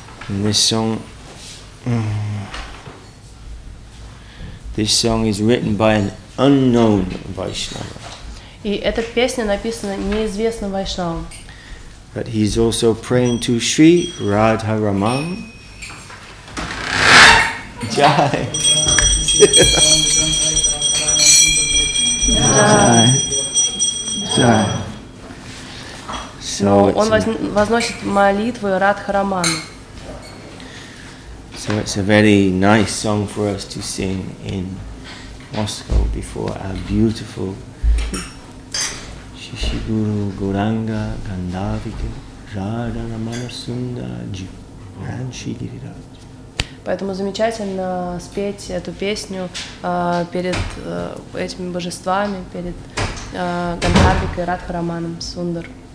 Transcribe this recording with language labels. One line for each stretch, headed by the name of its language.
English: And this song is written by an unknown Vaishnava.
Russian: И эта песня написана неизвестным Вайшнавом.
English: But he's also praying to Sri Radha Raman.
Hindi: Jai. Jai. Jai.
Russian: So он возносит молитвы Радха Раману.
English: So it's a very nice song for us to sing in Moscow before our beautiful Shishiguru Goranga Gandavika Radha Ramana Sundaraji and Shigiriraj.
Russian: Поэтому замечательно спеть эту песню перед этими божествами, перед Гандавикой Радха Раманом Сундарджи.